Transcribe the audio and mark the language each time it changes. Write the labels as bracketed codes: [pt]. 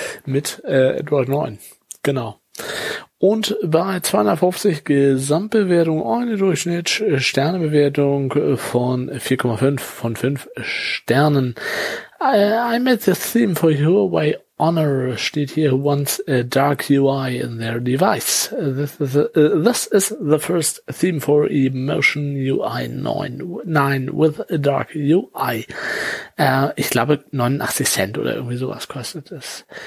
[de] Mit Android 9. Genau. Und bei 250 Gesamtbewertung, eine Durchschnitts-Sternebewertung von 4,5 von 5 Sternen. [en] I made the theme for Huawei Honor, [de] steht hier, [en] wants a dark UI in their device. This is the first theme for Emotion UI 9 with a dark UI. [de] Ich glaube, 89 Cent oder irgendwie sowas kostet es.